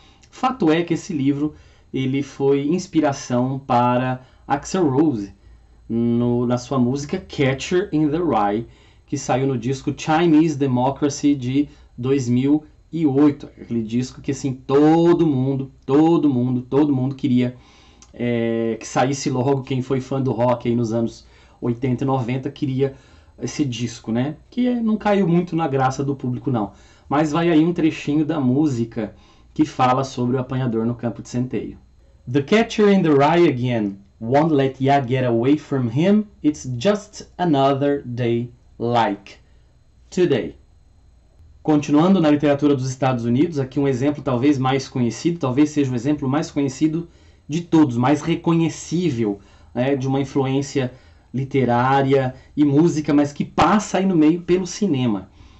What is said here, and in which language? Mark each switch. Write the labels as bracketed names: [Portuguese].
[Portuguese] Fato é que esse livro ele foi inspiração para Axl Rose, no, na sua música Catcher in the Rye, que saiu no disco Chinese Democracy de 2008, aquele disco que assim todo mundo queria que saísse logo quem foi fã do rock aí nos anos 80 e 90 queria esse disco, né? Que não caiu muito na graça do público, não. Mas vai aí um trechinho da música que fala sobre o apanhador no campo de centeio. [English] The catcher in the rye again won't let ya get away from him. It's just another day like today. [Portuguese] Continuando na literatura dos Estados Unidos, aqui um exemplo talvez mais conhecido, talvez seja o um exemplo mais conhecido de todos, mais reconhecível, né, de uma influência literária e música, mas que passa aí no meio pelo cinema.